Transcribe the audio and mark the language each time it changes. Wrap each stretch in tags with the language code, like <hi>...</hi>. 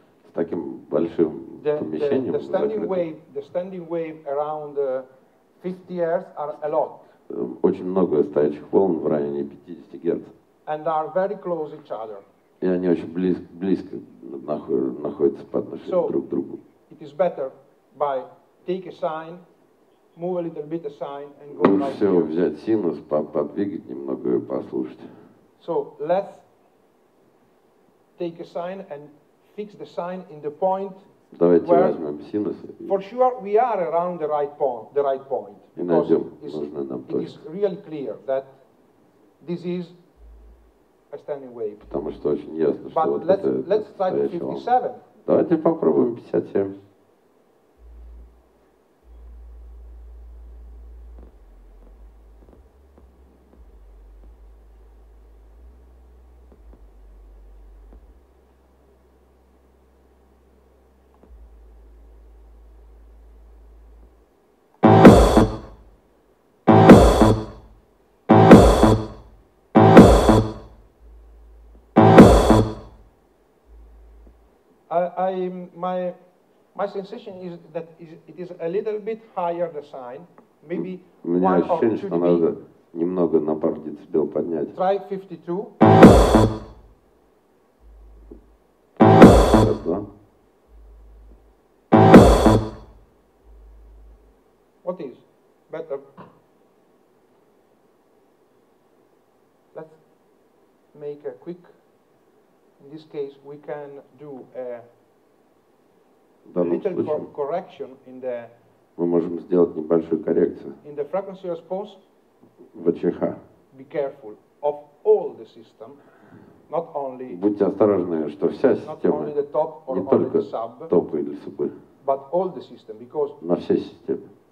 <ru>С таким большим помещением.</ru> <en>The standing wave around 50 Hz are a lot.</en> <ru>Очень много стоящих волн в районе 50 Гц.</ru> <en>And are very close each other.</en> <ru>И они очень близко находятся по отношению друг к другу.</ru> <en>It is better by take a sign. Move a little bit aside and go right here.</en> <ru>Все взять синус, подвигать немного и послушать.</ru> <en>So let's take a sign and fix the sign in the point.</en> <ru>Давайте возьмем синус.</ru> <en>For sure we are around the right point.</en> <ru>И найдем нужную нам точку.</ru> <en>It is really clear that this is a standing wave.</en> <ru>Потому что очень ясно, что вот это.</ru> <en>But let's try 57.</en> <ru>Давайте попробуем 57.</ru> <en>Thank you. My sensation is that it is a little bit higher the sign, maybe one or two.</en> <ru>У меня ощущение, что надо немного на пару децибел поднять.</ru> <en>Try 52. What is better? Let's make a quick. In this case, we can do a little correction in the.</en> <ru>Мы можем сделать небольшую коррекцию.</ru> <en>In the frequency response.</en> <ru>ВЧХ.</ru> <en>Be careful of all the system. Not only.</en> <ru>Будьте осторожны, что вся система,</ru> <en>not only the top or</en> <ru>не только</ru> <en>the sub,</en> <ru>топы или субы,</ru> <en>but all the system, because</en> <ru>на всей системе.</ru>